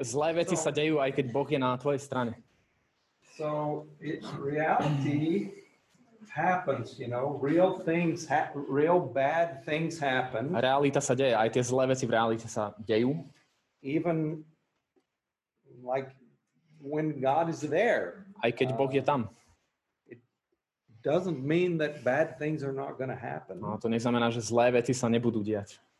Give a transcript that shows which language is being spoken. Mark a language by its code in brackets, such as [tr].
[sk] Zlé veci sa dejú, aj keď Boh je na tvojej strane. [en] So it's reality happens, you know, real things, real bad things happen. [sk] Realita sa deje, aj tie zlé veci v realite sa dejú. [en] Even like when God is there. [sk] Aj keď Boh je tam. [en] It doesn't mean that bad things are not going to happen. [sk] No, to neznamená, že zlé veci sa nebudú diať.